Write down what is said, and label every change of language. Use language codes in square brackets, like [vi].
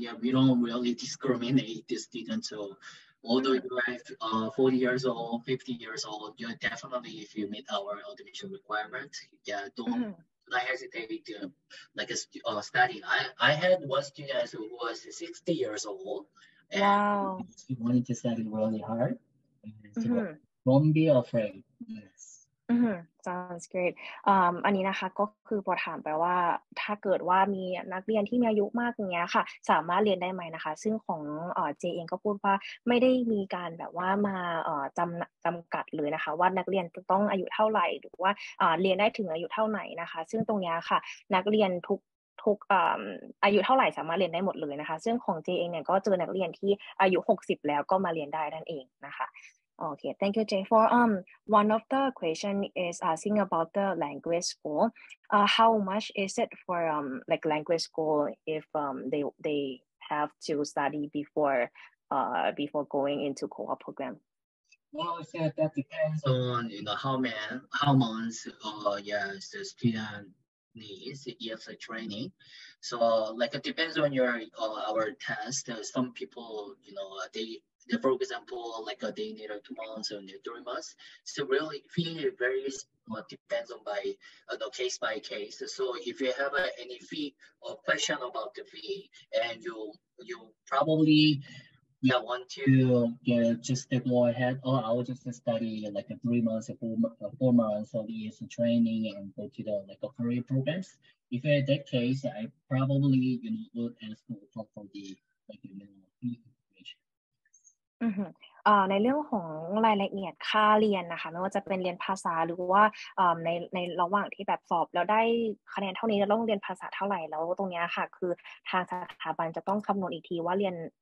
[en] Yeah, we don't really discriminate the students. So although you are 40 years old, 50 years old, you're definitely, if you meet our admission requirement, don't hesitate to study. I had one student who was 60 years old. And he wanted to study really hard. So don't be afraid. Yes. Sounds great. [th] อันนี้นะคะก็คือพอถามไปว่าถ้าเกิดว่ามีนักเรียนที่มีอายุมากอย่างเงี้ยค่ะสามารถเรียนได้ไหมนะคะซึ่งของเจเองก็พูดว่าไม่ได้มีการแบบว่ามาจำกัดเลยนะคะว่านักเรียนต้องอายุเท่าไหร่หรือว่าเรียนได้ถึงอายุเท่าไหร่นะคะซึ่งตรงนี้ค่ะนักเรียนทุกอายุเท่าไหร่สามารถเรียนได้หมดเลยนะคะซึ่งของเจเองเนี่ยก็เจอนักเรียนที่อายุ60แล้วก็มาเรียนได้นั่นเองนะคะ [en] Okay, thank you, Jay. For one of the question is asking about the language school. How much is it for language school if they have to study before going into co-op program? Well, I said that depends on how much the student needs years of training. So it depends on your our test. Some people, for example, they need 2 months or 3 months. So really, fee varies, depends on case by case. So if you have any fee or question about the fee, and you probably Yeah, I want to get just to go ahead. Oh, I will just study like 3 months or four months of ES training and go to the like career programs. If in that case, I probably you know would ask for the like you know information. [th] ในเรื่องของรายละเอียดค่าเรียนนะคะไม่ว่าจะเป็นเรียนภาษาหรือว่าในระหว่างที่แบบสอบแล้วได้คะแนนเท่านี้จะต้องเรียนภาษาเท่าไหร่แล้วตรงนี้ค่ะคือทางสถาบันจะต้องคำนวณอีกทีว่าเรียน